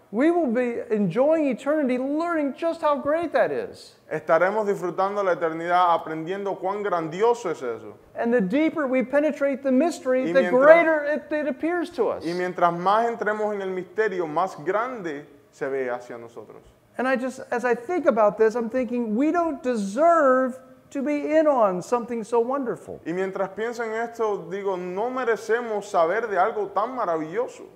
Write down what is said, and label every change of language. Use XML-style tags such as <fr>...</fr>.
<en>We will be enjoying eternity, learning just how great that is.</en> <es>Estaremos disfrutando la eternidad, aprendiendo cuán grandioso es eso.</es> <en>And the deeper we penetrate the mystery, the greater it appears to us.</en> <es>Y mientras más entremos en el misterio, más grande se ve hacia nosotros.</es> <en>And I just, as I think about this, I'm thinking, we don't deserve to be in on something so wonderful.</en> <es>Y mientras pienso en esto, digo, no merecemos saber de algo tan maravilloso.</es>